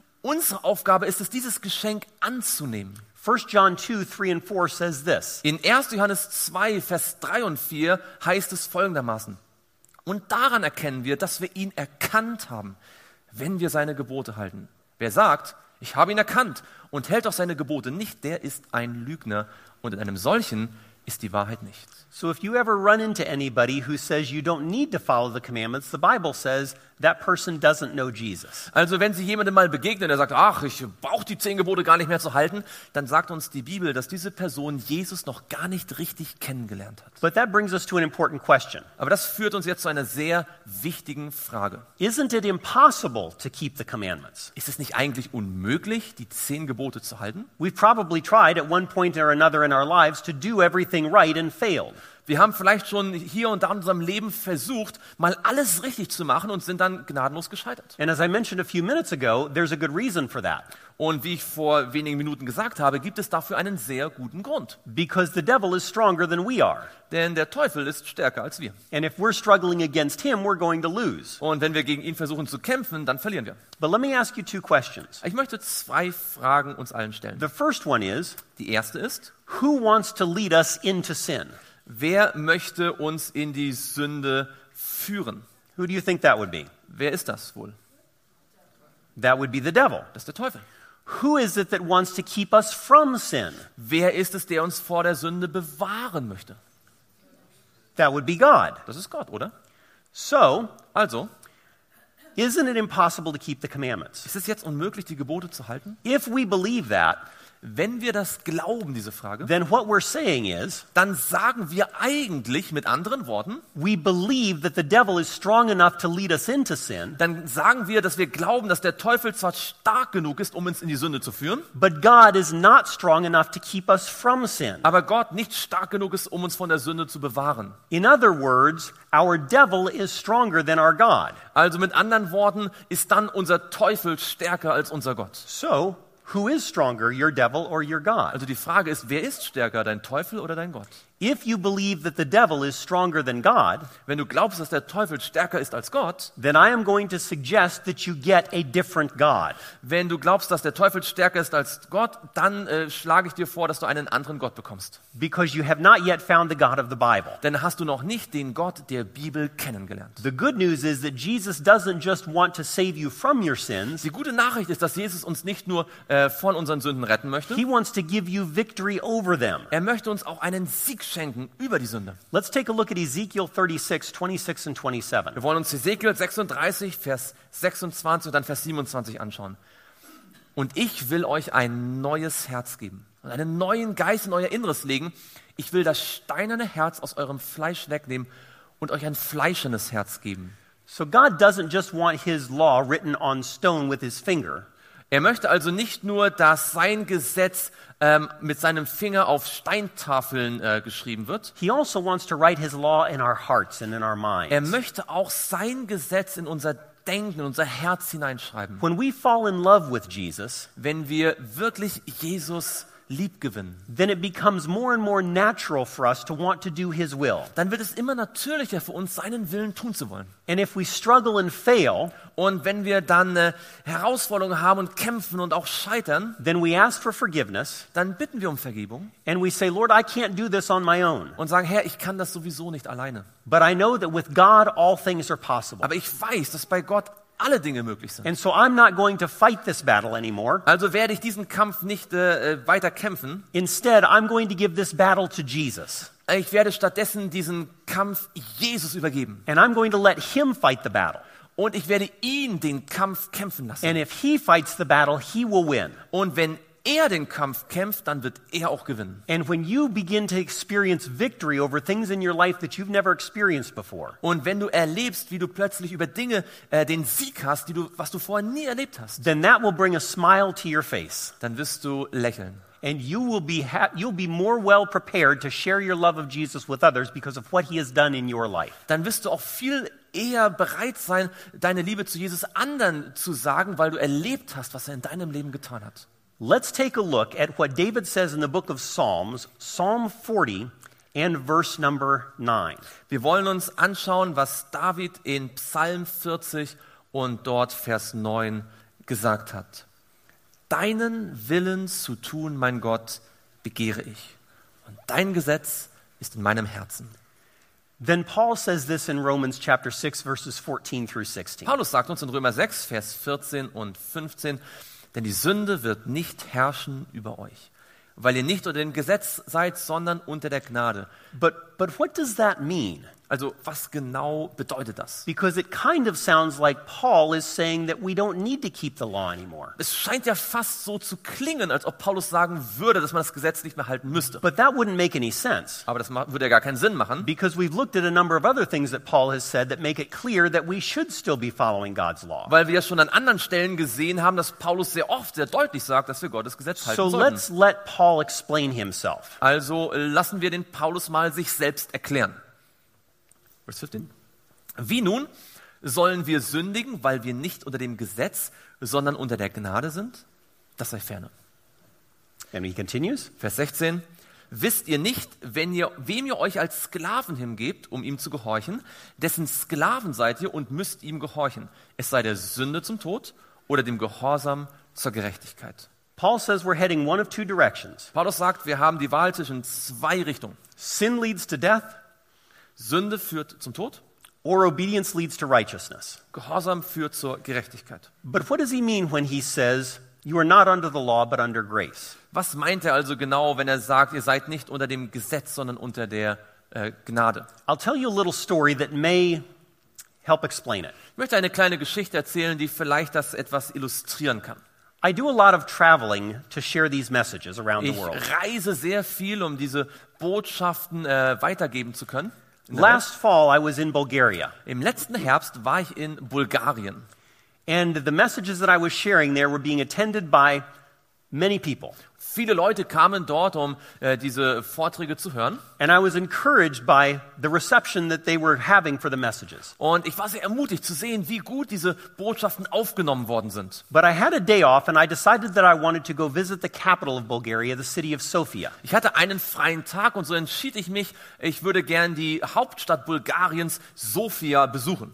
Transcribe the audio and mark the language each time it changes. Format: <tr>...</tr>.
<de>Unsere Aufgabe ist es, dieses Geschenk anzunehmen.</de> <en>1 John 2, 3 and 4 says this.</en> <de>In 1. Johannes 2, Vers 3 und 4 heißt es folgendermaßen. Und daran erkennen wir, dass wir ihn erkannt haben, wenn wir seine Gebote halten. Wer sagt, ich habe ihn erkannt und hält auch seine Gebote nicht, der ist ein Lügner. Und in einem solchen ist die Wahrheit nicht.</de> <en>So if you ever run into anybody who says you don't need to follow the commandments, the Bible says that person doesn't know Jesus.</en> <de>Also wenn Sie jemandem mal begegnen, der sagt, ach, ich brauche die 10 Gebote gar nicht mehr zu halten, dann sagt uns die Bibel, dass diese Person Jesus noch gar nicht richtig kennengelernt hat.</de> <en>But that brings us to an important question.</en> <de>Aber das führt uns jetzt zu einer sehr wichtigen Frage.</de> <en>Isn't it impossible to keep the commandments?</en> <de>Ist es nicht eigentlich unmöglich, die 10 Gebote zu halten?</de> <en>We probably tried at one point or another in our lives to do everything right and failed.</en> <de>Wir haben vielleicht schon hier und da in unserem Leben versucht, mal alles richtig zu machen und sind dann gnadenlos gescheitert.</de> <en>And as I mentioned a few minutes ago, there's a good reason for that.</en> <de>Und wie ich vor wenigen Minuten gesagt habe, gibt es dafür einen sehr guten Grund.</de> <en>Because the devil is stronger than we are.</en> <de>Denn der Teufel ist stärker als wir.</de> <en>And if we're struggling against him, we're going to lose.</en> <de>Und wenn wir gegen ihn versuchen zu kämpfen, dann verlieren wir.</de> <en>But let me ask you two questions.</en> <de>Ich möchte zwei Fragen uns allen stellen.</de> <en>The first one is,</en> <de>die erste ist,</de> <en>who wants to lead us into sin?</en> <de>Wer möchte uns in die Sünde führen?</de> <en>Who do you think that would be?</en> <de>Wer ist das wohl?</de> <en>That would be the devil.</en> <de>Das ist der Teufel.</de> <en>Who is it that wants to keep us from sin?</en> <de>Wer ist es, der uns vor der Sünde bewahren möchte?</de> <en>That would be God.</en> <de>Das ist Gott, oder?</de> <en>So,</en> <de>also,</de> <en>isn't it impossible to keep the commandments?</en> <de>Ist es jetzt unmöglich, die Gebote zu halten?</de> <en>If we believe that,</en> <de>wenn wir das glauben, diese Frage,</de> <en>then what we're saying is,</en> <de>dann sagen wir eigentlich mit anderen Worten,</de> <en>we believe that the devil is strong enough to lead us into sin,</en> <de>dann sagen wir, dass wir glauben, dass der Teufel zwar stark genug ist, um uns in die Sünde zu führen,</de> <en>but God is not strong enough to keep us from sin.</en> <de>Aber Gott nicht stark genug ist, um uns von der Sünde zu bewahren.</de> <en>In other words, our devil is stronger than our God.</en> <de>Also mit anderen Worten, ist dann unser Teufel stärker als unser Gott.</de> <en>So, who is stronger, your devil or your God?</en> <de>Also die Frage ist, wer ist stärker, dein Teufel oder dein Gott?</de> <en>If you believe that the devil is stronger than God,</en> <de>wenn du glaubst, dass der Teufel stärker ist als Gott,</de> <en>then I am going to suggest that you get a different God.</en> <de>Wenn du glaubst, dass der Teufel stärker ist als Gott, dann schlage ich dir vor, dass du einen anderen Gott bekommst.</de> <en>Because you have not yet found the God of the Bible.</en> <de>Denn hast du noch nicht den Gott der Bibel kennengelernt.</de> <en>The good news is that Jesus doesn't just want to save you from your sins.</en> <de>Die gute Nachricht ist, dass Jesus uns nicht nur von unseren Sünden retten möchte.</de> <en>He wants to give you victory over them.</en> <de>Er möchte uns auch einen Sieg schenken über die Sünde.</de> <en>Let's take a look at Ezekiel 36, 26 and 27.</en> <de>Wir wollen uns Ezekiel 36, Vers 26 und dann Vers 27 anschauen. Und ich will euch ein neues Herz geben und einen neuen Geist in euer Inneres legen. Ich will das steinerne Herz aus eurem Fleisch wegnehmen und euch ein fleischernes Herz geben.</de> <en>So God doesn't just want his law written on stone with his finger.</en> <de>Er möchte also nicht nur, dass sein Gesetz mit seinem Finger auf Steintafeln geschrieben wird.</de> <en>He also wants to write his law in our hearts and in our minds.</en> <de>Er möchte auch sein Gesetz in unser Denken, in unser Herz hineinschreiben.</de> <en>When we fall in love with Jesus,</en> <de>wenn wir wirklich Jesus liebgewinnen,</de> <en>then it becomes more and more natural for us to want to do his will.</en> <de>Dann wird es immer natürlicher für uns, seinen Willen tun zu wollen.</de> <en>And if we struggle and fail,</en> <de>und wenn wir dann Herausforderungen haben und kämpfen und auch scheitern,</de> <en>then we ask for forgiveness,</en> <de>dann bitten wir um Vergebung.</de> <en>And we say, Lord, I can't do this on my own.</en> <de>Und sagen, Herr, ich kann das sowieso nicht alleine.</de> <en>But I know that with God all things are possible.</en> <de>Aber ich weiß, dass bei Gott alle Dinge möglich sind.</de> <en>And so I'm not going to fight this battle anymore.</en> <de>Also werde ich diesen Kampf nicht weiter kämpfen.</de> <en>Instead, I'm going to give this battle to Jesus.</en> <de>Ich werde stattdessen diesen Kampf Jesus übergeben.</de> <en>And I'm going to let him fight the battle.</en> <de>Und ich werde ihn den Kampf kämpfen lassen.</de> <en>And if he fights the battle, he will win.</en> <de>Und wenn er den Kampf kämpft, dann wird er auch gewinnen.</de> <en>And when you begin to experience victory over things in your life that you've never experienced before.</en> <de>Und wenn du erlebst, wie du plötzlich über Dinge den Sieg hast, die du, was du vorher nie erlebt hast.</de> <en>Then that will bring a smile to your face.</en> <de>Dann wirst du lächeln.</de> <en>And you'll be more well prepared to share your love of Jesus with others because of what he has done in your life.</en> <de>Dann wirst du auch viel eher bereit sein, deine Liebe zu Jesus anderen zu sagen, weil du erlebt hast, was er in deinem Leben getan hat.</de> <en>Let's take a look at what David says in the book of Psalms, Psalm 40 and verse number 9.</en> <de>Wir wollen uns anschauen, was David in Psalm 40 und dort Vers 9 gesagt hat. Deinen Willen zu tun, mein Gott, begehre ich, und dein Gesetz ist in meinem Herzen.</de> <en>Then Paul says this in Romans chapter 6 verses 14 through 16.</en> <de>Paulus sagt uns in Römer 6 Vers 14 und 15: Denn die Sünde wird nicht herrschen über euch, weil ihr nicht unter dem Gesetz seid, sondern unter der Gnade.</de> <en>But what does that mean?</en> <de>Also, was genau bedeutet das?</de> <en>Because it kind of sounds like Paul is saying that we don't need to keep the law anymore.</en> <de>Es scheint ja fast so zu klingen, als ob Paulus sagen würde, dass man das Gesetz nicht mehr halten müsste.</de> <en>But that wouldn't make any sense.</en> <de>Aber das würde ja gar keinen Sinn machen.</de> <en>Because we've looked at a number of other things that Paul has said that make it clear that we should still be following God's law.</en> <de>Weil wir ja schon an anderen Stellen gesehen haben, dass Paulus sehr oft sehr deutlich sagt, dass wir Gottes Gesetz halten sollten.</de> <en>So let's let Paul explain himself.</en> <de>Also, lassen wir den Paulus mal sich selbst erklären. Vers 15. Wie nun sollen wir sündigen, weil wir nicht unter dem Gesetz, sondern unter der Gnade sind? Das sei ferne.</de> <en>And he continues.</en> <de>Vers 16. Wisst ihr nicht, wem ihr euch als Sklaven hingebt, um ihm zu gehorchen, dessen Sklaven seid ihr und müsst ihm gehorchen, es sei der Sünde zum Tod oder dem Gehorsam zur Gerechtigkeit.</de> <en>Paul says we're heading one of two directions.</en> <de>Paulus sagt, wir haben die Wahl zwischen zwei Richtungen.</de> <en>Sin leads to death.</en> <de>Sünde führt zum Tod.</de> <en>Or obedience leads to righteousness.</en> <de>Gehorsam führt zur Gerechtigkeit.</de> <en>But what does he mean when he says you are not under the law but under grace?</en> <de>Was meint er also genau, wenn er sagt, ihr seid nicht unter dem Gesetz, sondern unter der Gnade?</de> <en>I'll tell you a little story that may help explain it.</en> <de>Ich möchte eine kleine Geschichte erzählen, die vielleicht das etwas illustrieren kann.</de> <en>I do a lot of traveling to share these messages around the world.</en> <de>Ich reise sehr viel, um diese Botschaften weitergeben zu können.</de> <en>Last fall I was in Bulgaria.</en> <de>Im letzten Herbst war ich in Bulgarien.</de> <en>And the messages that I was sharing there were being attended by many people.</en> <de>Viele Leute kamen dort, um diese Vorträge zu hören.</de> <en>And I was encouraged by the reception that they were having for the messages.</en> <de>Und ich war sehr ermutigt zu sehen, wie gut diese Botschaften aufgenommen worden sind.</de> <en>But I had a day off and I decided that I wanted to go visit the capital of Bulgaria, the city of Sofia.</en> <de>Ich hatte einen freien Tag und so entschied ich mich, ich würde gern die Hauptstadt Bulgariens, Sofia, besuchen.</de>